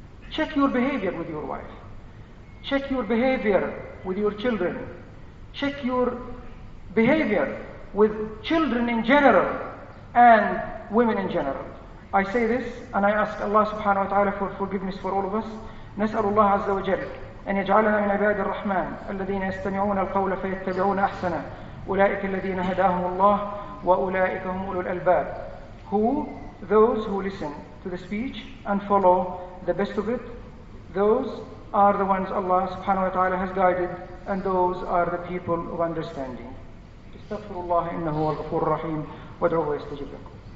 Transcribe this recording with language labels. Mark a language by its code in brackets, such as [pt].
[en] Check your behavior with your wife. Check your behavior with your children. Check your behavior with children in general and women in general. I say this and I ask Allah subhanahu wa ta'ala for forgiveness for all of us. [ar] نسأل الله عز وجل أن يجعلنا من عباد الرحمن الذين يستمعون القول فيتبعون أحسنه أولئك الذين هداهم الله وأولئك هم أولو الألباب. [en] Those who listen to the speech and follow the best of it, those are the ones Allah subhanahu wa ta'ala has guided and those are the people of understanding. [ar] استغفر الله إنه هو الغفور الرحيم وادعوه يستجب لكم.